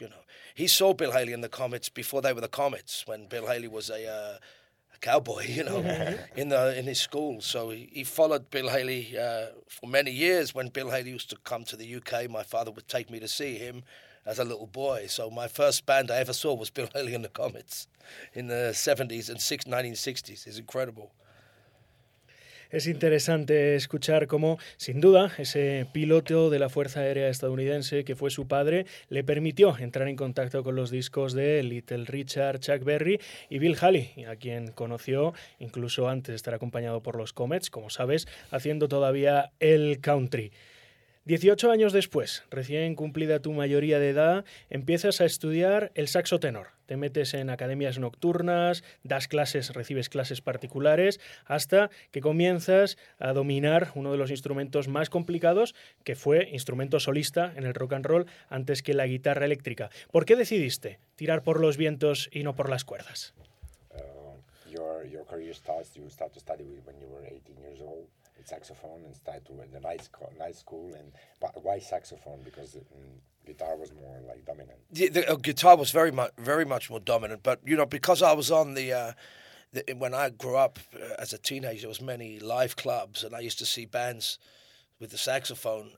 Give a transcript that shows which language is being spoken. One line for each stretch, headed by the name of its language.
English: You know, he saw Bill Haley and the Comets before they were the Comets, when Bill Haley was a cowboy, you know, in his school. So he followed Bill Haley for many years. When Bill Haley used to come to the UK, my father would take me to see him as a little boy. So my first band I ever saw was Bill Haley and the Comets in the 70s and 1960s. It's incredible.
Spanish: Es interesante escuchar cómo, sin duda, ese piloto de la Fuerza Aérea estadounidense que fue su padre le permitió entrar en contacto con los discos de Little Richard, Chuck Berry y Bill Haley, a quien conoció incluso antes de estar acompañado por los Comets, como sabes, haciendo todavía el country. 18 años después, recién cumplida tu mayoría de edad, empiezas a estudiar el saxo tenor. Te metes en academias nocturnas, das clases, recibes clases particulares, hasta que comienzas a dominar uno de los instrumentos más complicados, que fue instrumento solista en el rock and roll antes que la guitarra eléctrica. ¿Por qué decidiste tirar por los vientos y no por las cuerdas?
English: Your career starts. You start to study when you were 18 years old. Saxophone and started to in the night school. And why saxophone? Because guitar was more like dominant. The guitar was very much more dominant. But you know, because I was on when I grew up as a teenager, there was many live clubs, and I used to see bands with the saxophone.